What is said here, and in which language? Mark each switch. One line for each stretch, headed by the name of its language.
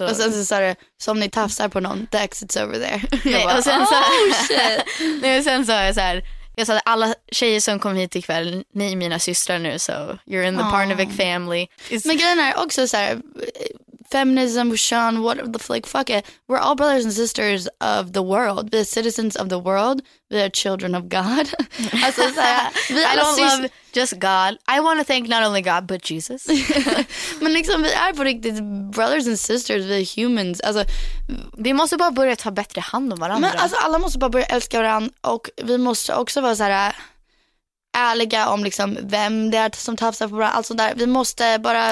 Swedish: Och sen så sa du, som ni tafsar på någon,
English: the exit's over there.
Swedish: Nej, och sen så här, nej, och sen sa jag så här, jag sa att alla tjejer som kom hit ikväll, ni är mina systrar nu,
English: so you're in the Parnevik family.
Swedish: Men grejen är också så här, feminism, Sean,
English: whatever the flick, fuck it. We're all brothers and sisters of the world. We're citizens of the world. We're children of God.
Swedish: Alltså, så här,
English: I don't love just God. I want to thank not only God, but Jesus.
Swedish: Men liksom, vi är på riktigt
English: brothers and sisters, we're humans.
Swedish: Alltså, vi måste bara börja ta bättre hand om varandra. Men alltså, alla måste bara börja älska varandra. Och vi måste också vara så här ärliga om liksom vem det är som tafsar på varandra, alltså där, vi måste bara,